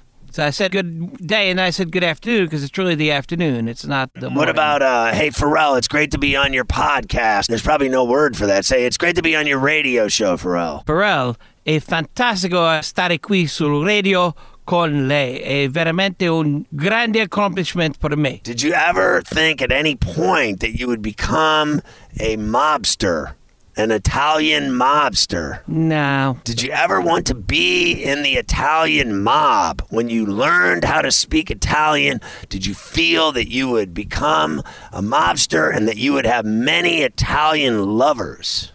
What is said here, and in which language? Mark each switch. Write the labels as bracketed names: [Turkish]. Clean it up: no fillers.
[English] So I said good day, and I said good afternoon, because it's really the afternoon. It's not the morning. What about, hey, Pharrell, it's great to be on your podcast. There's probably no word for that. Say, it's great to be on your radio show, Pharrell. [Italian] Pharrell, è fantastico stare qui sul radio con lei. È veramente un grande accomplishment per me. [English] Did you ever think at any point that you would become a mobster? An Italian mobster? No. Did you ever want to be in the Italian mob? When you learned how to speak Italian, did you feel that you would become a mobster and that you would have many Italian lovers?